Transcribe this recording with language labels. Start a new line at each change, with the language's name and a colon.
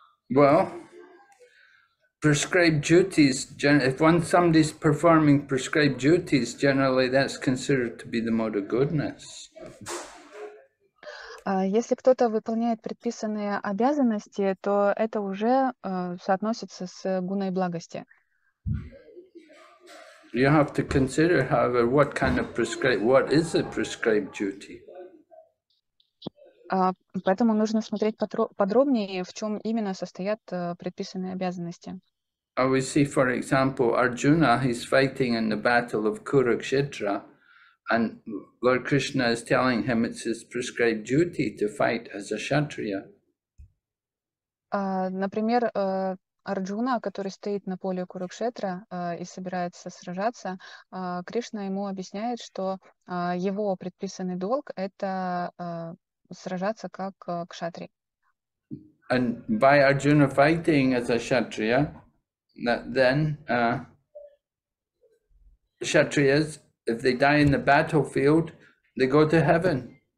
English: Well, prescribed duties, if one somebody's performing prescribed duties, generally that's considered to be the mode of goodness.
Russian: Если кто-то выполняет предписанные обязанности, то это уже соотносится с гуной благости.
English: You have to consider, however, what kind of prescribed, what is a prescribed duty.
Russian: Поэтому нужно смотреть подробнее, в чем именно состоят предписанные обязанности.
English: We see, for example, Arjuna, he's fighting in the battle of Kurukshetra. And Lord Krishna is telling him it's his prescribed duty to fight as a kshatriya.
Russian: Например, Арджуна, который стоит на поле Курукшетра и собирается сражаться, Кришна ему объясняет, что его предписанный долг — это сражаться как кшатри.
English: And by Arjuna fighting as a kshatriya, then kshatriyas, if they die in the battlefield, they go to heaven.